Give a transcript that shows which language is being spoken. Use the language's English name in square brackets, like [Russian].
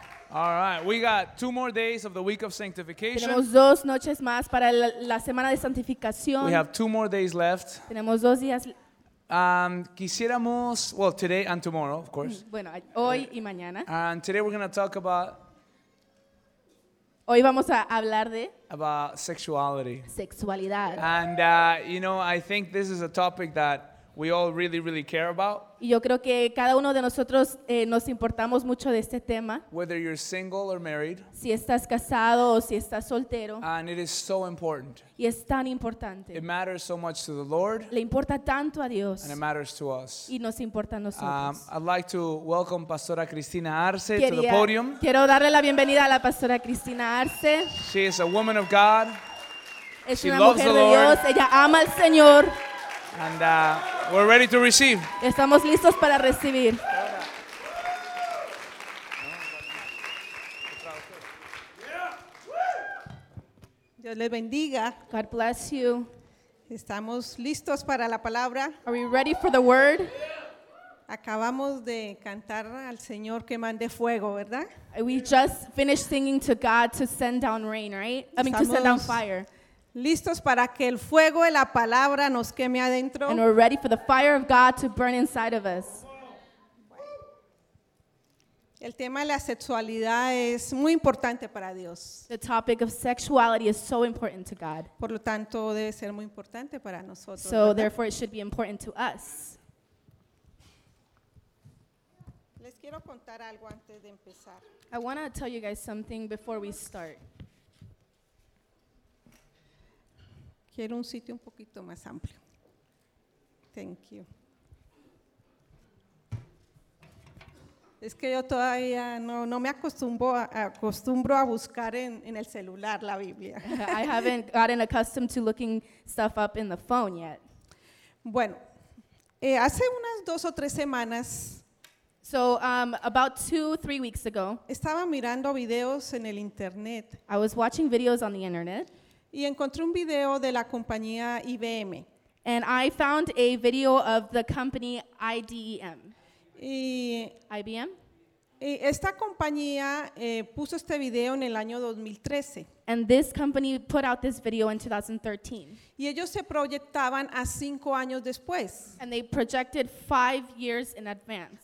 [English] All right, we got two more days of the week of sanctification. [Spanish] Tenemos dos noches más para la semana de santificación. [English] We have two more days left. [Spanish] Tenemos dos días. [English] Quisiéramos, well, today and tomorrow, of course. [Spanish] Bueno, hoy y mañana. [English] And today we're going to talk about [Spanish] Hoy vamos a hablar de [English] about sexuality. [Spanish] Sexualidad. [English] And you know, I think this is a topic that we all really, really care about. [Spanish] Y yo creo que cada uno de nosotros nos importamos mucho de este tema. [English] Whether you're single or married. [Spanish] Si estás casado o si estás soltero. [English] And it is so important. [Spanish] Y es tan importante. [English] It matters so much to the Lord. [Spanish] Le importa tanto a Dios. [English] And it matters to us. [Spanish] Y nos importa a nosotros. [English] I'd like to welcome Pastora Cristina Arce to the podium. [Spanish] Quiero darle la bienvenida a la Pastora Cristina Arce. [English] She is a woman of God. [Spanish] Es una mujer de Dios. Ella ama al Señor. [English] And we're ready to receive. [Spanish] Estamos listos para recibir. Dios les bendiga. [English] God bless you. [Spanish] Estamos listos para la palabra. [English] Are we ready for the word? [Spanish] Acabamos de cantar al Señor que mande fuego, ¿verdad? [English] We just finished singing to God to send down rain, right? I mean, to send down fire. [Spanish] Listos para que el fuego de la palabra nos queme adentro. [English] And we're ready for the fire of God to burn inside of us. [Spanish] El tema de la sexualidad es muy importante para Dios. [English] The topic of sexuality is so important to God. [Spanish] Por lo tanto, debe ser muy importante para nosotros. [English] So, ¿verdad? Therefore, it should be important to us. [Spanish] Les quiero contar algo antes de empezar. [English] I want to tell you guys something before we start. [Spanish] Quiero un sitio un poquito más amplio. [English] Thank you. [Spanish] Es que yo todavía no me acostumbro a buscar en el celular la Biblia. [English] I haven't gotten accustomed to looking stuff up in the phone yet. [Spanish] Bueno, hace unas dos o tres semanas. [English] So about two, 3 weeks ago. [Spanish] Estaba mirando videos en el internet. [English] I was watching videos on the internet. [Spanish] Y encontré un video de la compañía IBM. [English] And I found a video of the company IDEM. [Spanish] Y [English] IBM. [Spanish] Y esta compañía puso este video en el año 2013. [English] And this company put out this video in 2013. [Spanish] Y ellos se proyectaban a 5 años después. [English] And they projected 5 years in advance.